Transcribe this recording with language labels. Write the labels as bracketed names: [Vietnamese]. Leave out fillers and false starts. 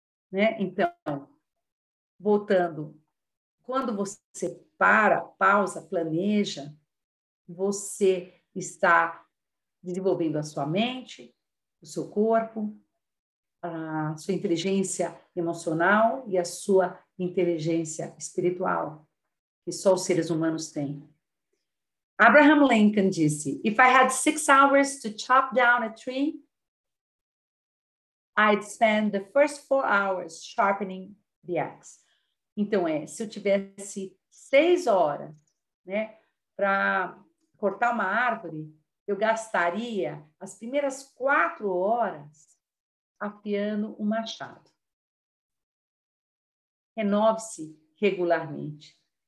[Portuguese] Né? Então, voltando. Quando você para, pausa, planeja, você está desenvolvendo a sua mente, o seu corpo, a sua inteligência emocional e a sua inteligência espiritual, que só os seres humanos têm. [English] Abraham Lincoln disse: "If I had 6 hours to chop down a tree, I'd spend the first 4 hours sharpening the axe." [Portuguese] Então, se eu tivesse 6 horas, né, para cortar uma árvore, eu gastaria as primeiras 4 horas afiando o machado. Renove-se regularmente.